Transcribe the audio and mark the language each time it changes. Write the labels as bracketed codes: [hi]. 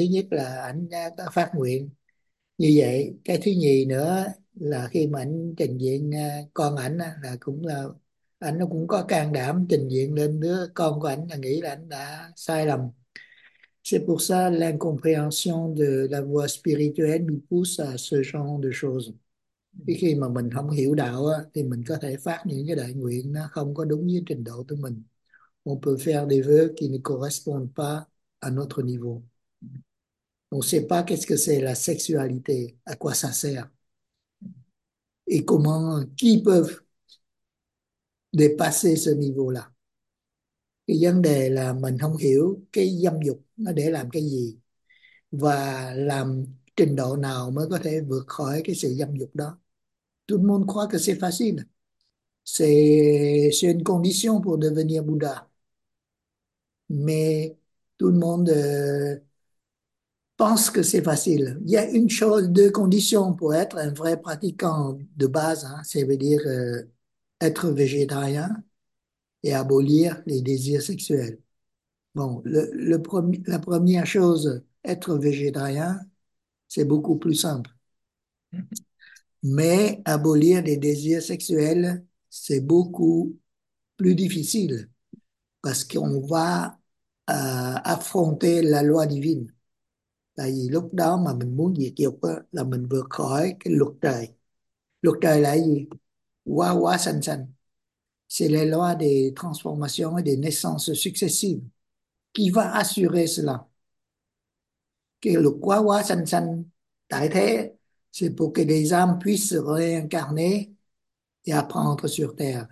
[vi] Thứ nhất là anh đã có phát nguyện như vậy, cái thứ nhì nữa là khi mà anh trình diện con anh là cũng là anh nó cũng có can đảm trình diện lên đứa con của anh là nghĩ là anh đã sai lầm. [fr] C'est pour ça l'incompréhension de la voie spirituelle nous pousse à ce genre de choses. [vi] Khi mà mình không hiểu đạo thì mình có thể phát những cái đại nguyện nó không có đúng với trình độ của mình. [fr] On peut faire des vœux qui ne correspondent pas à notre niveau. On ne sait pas qu'est-ce que c'est la sexualité, à quoi ça sert. Et comment, qui peuvent dépasser ce niveau-là. [vi] Cái vấn đề là mình không hiểu cái dâm dục nó để làm cái gì và làm trình độ nào mới có thể vượt khỏi cái sự dâm dục đó. [fr] Tout le monde croit que c'est facile. C'est une condition pour devenir Bouddha. Mais tout le monde pense que c'est facile. Il y a une chose, deux conditions pour être un vrai pratiquant de base, hein, ça veut dire être végétarien et abolir les désirs sexuels. Bon, la première chose, être végétarien, c'est beaucoup plus simple. Mais abolir les désirs sexuels, c'est beaucoup plus difficile parce qu'on va affronter la loi divine. [vi] Tại vì lúc đó mà mình muốn diệt dục đó, là mình vượt khỏi cái luật trời. Luật trời là gì? Quá quá xanh xanh. [fr] C'est les lois des transformations et des naissances successives qui va assurer cela. [vi] Cái luật quá quá sanh sanh tại thế, [fr] c'est pour que les âmes puissent se réincarner et apprendre sur Terre.